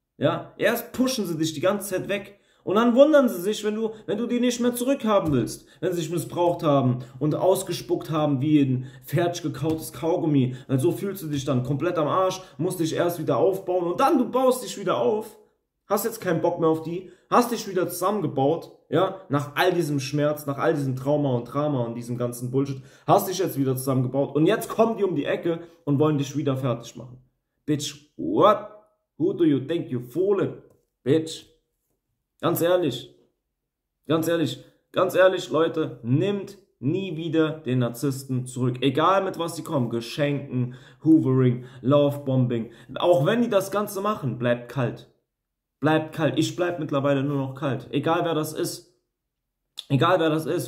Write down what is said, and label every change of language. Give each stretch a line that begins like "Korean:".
German: Ja, erst pushen sie dich die ganze Zeit weg und dann wundern sie sich, wenn du die nicht mehr zurückhaben willst, wenn sie dich missbraucht haben und ausgespuckt haben wie ein fertig gekautes Kaugummi, weil so fühlst du dich dann komplett am Arsch, musst dich erst wieder aufbauen und dann du baust dich wieder auf, hast jetzt keinen Bock mehr auf die, hast dich wieder zusammengebaut, ja, nach all diesem Schmerz, nach all diesem Trauma und Drama und diesem ganzen Bullshit, hast dich jetzt wieder zusammengebaut und jetzt kommen die um die Ecke und wollen dich wieder fertig machen.
English: Bitch, what? Who do you think you fooling, bitch?
German: Ganz ehrlich. Ganz ehrlich. Ganz ehrlich, Leute. Nimmt nie wieder den Narzissten zurück. Egal mit was sie kommen. Geschenken, Hoovering, Lovebombing. Auch wenn die das Ganze machen, bleibt kalt. Bleibt kalt. Ich bleib mittlerweile nur noch kalt. Egal wer das ist. Egal wer das ist.